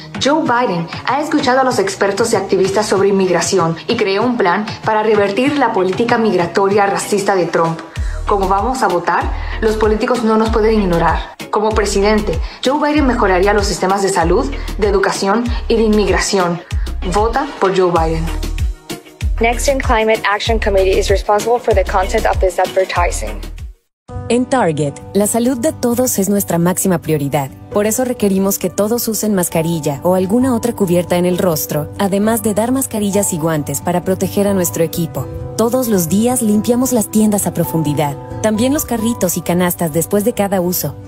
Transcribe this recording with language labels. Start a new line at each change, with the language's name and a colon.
Spanish: Joe Biden ha escuchado a los expertos y activistas sobre inmigración y creó un plan para revertir la política migratoria racista de Trump. Como vamos a votar, los políticos no nos pueden ignorar. Como presidente, Joe Biden mejoraría los sistemas de salud, de educación y de inmigración. Vota por Joe Biden.
English: NextGen Climate Action Committee is responsible for the content of this advertising.
Spanish: En Target, la salud de todos es nuestra máxima prioridad. Por eso requerimos que todos usen mascarilla o alguna otra cubierta en el rostro, además de dar mascarillas y guantes para proteger a nuestro equipo. Todos los días limpiamos las tiendas a profundidad, también los carritos y canastas después de cada uso.